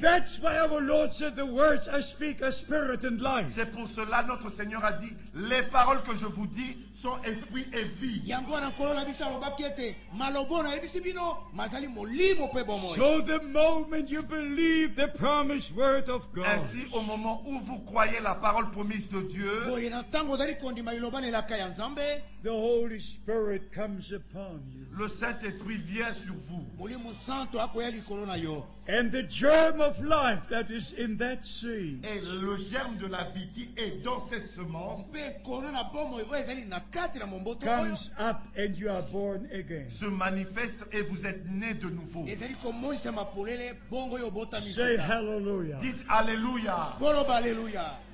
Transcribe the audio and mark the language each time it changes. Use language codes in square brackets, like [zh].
[en] That's why our Lord said, the words I speak are spirit and life. [fr] C'est pour cela notre Seigneur a dit, les paroles que je vous dis sont esprit et vie. [en] So the moment you believe the promised word of God. [fr] Ainsi, au moment où vous croyez la parole promise de Dieu. [en] The Holy Spirit comes upon you. [fr] Le Saint-Esprit vient sur vous. [en] And the germ of life that is in that seed. [fr] Et le germe de la vie qui est dans cette semence. [en] Comes up and you are born again. [fr] Se manifeste et vous êtes né de nouveau. [en] Say hallelujah. [fr] Dites hallelujah. [ln] Boloba hallelujah.